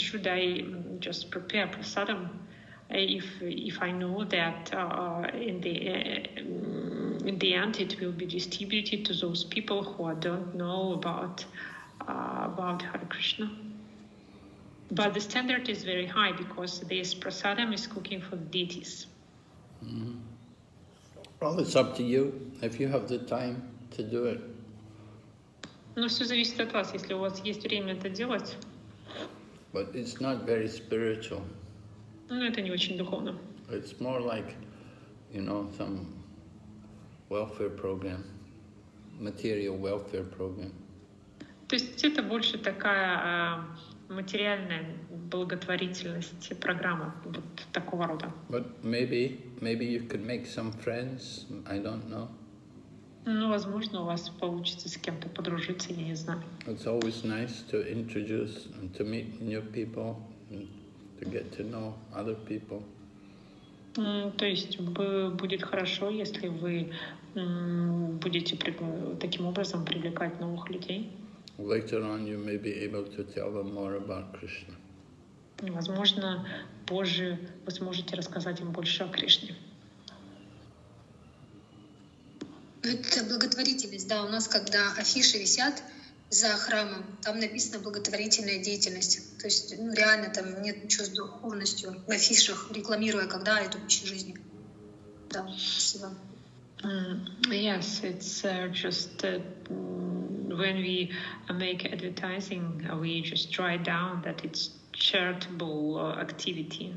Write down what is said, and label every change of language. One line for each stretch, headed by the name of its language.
English: Should I just prepare prasadam if I know that in the end it will be distributed to those people who don't know about Hare Krishna. But the standard is very high because this prasadam is cooking for the deities. Mm-hmm. Well, it's up to you if you have the time to do it.
Russian: Но все зависит от вас, если у вас есть время это делать.
English: But it's not very spiritual.
Russian: Ну, это не очень духовно.
English: It's more like, you know, some welfare program, material welfare program.
Russian: То есть это больше такая материальная благотворительность программа вот такого рода.
English: But maybe you could make some friends. I don't know.
Russian: Ну, возможно, у вас получится с кем-то подружиться, я не знаю.
English: It's always nice to introduce and to meet new people, to get to know other people.
Russian: То есть будет хорошо, если вы будете таким образом привлекать новых людей.
English: Later on, you may be able to tell them more about Krishna.
Russian: Возможно, позже вы сможете рассказать им больше о Кришне. Это благотворительность, да. У нас когда афиши висят за храмом, там написано благотворительная деятельность. То есть, ну, реально там нет ничего с духовностью в афишах, рекламируя, когда эту пищу жизни. Да, спасибо.
English: Yes, it's just when we make advertising, we just write down that it's charitable activity.